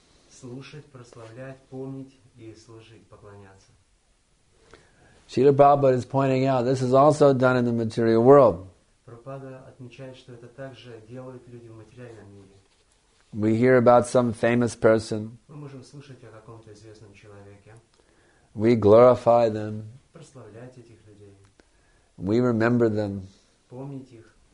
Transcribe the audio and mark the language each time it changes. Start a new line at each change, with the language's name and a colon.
Russian: Слушать, прославлять, помнить и служить, поклоняться.
English: Srila Prabhupada is pointing out this is also done in the material world.
Russian: Prabhupada отмечает, что это также делают люди в материальном мире.
English: We hear about some famous person.
Russian: Мы можем слушать о каком-то известном человеке.
English: We glorify them.
Russian: Прославлять этих людей.
English: We remember them.
Russian: Помнить их.